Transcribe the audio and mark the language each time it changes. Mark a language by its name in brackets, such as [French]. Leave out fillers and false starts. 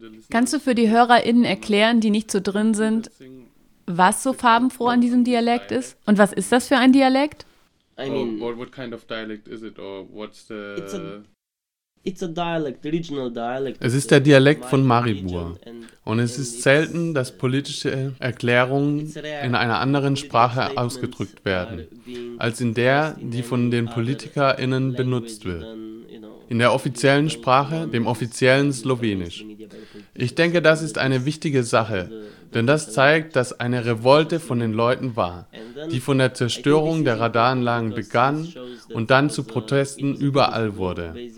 [German] Kannst du für die HörerInnen erklären, die nicht so drin sind, was so farbenfroh an diesem Dialekt ist? Und was ist das für ein Dialekt? [English] I mean, what kind of dialect is it, or what's the? It's a dialect, regional dialect. [German] Es ist der Dialekt von Maribor. Und es ist selten, dass politische Erklärungen in einer anderen Sprache ausgedrückt werden, als in der, die von den PolitikerInnen benutzt wird. In der offiziellen Sprache, dem offiziellen Slowenisch. Ich denke, das ist eine wichtige Sache, denn das zeigt, dass eine Revolte von den Leuten war, die von der Zerstörung der Radaranlagen begann und dann zu Protesten überall wurde.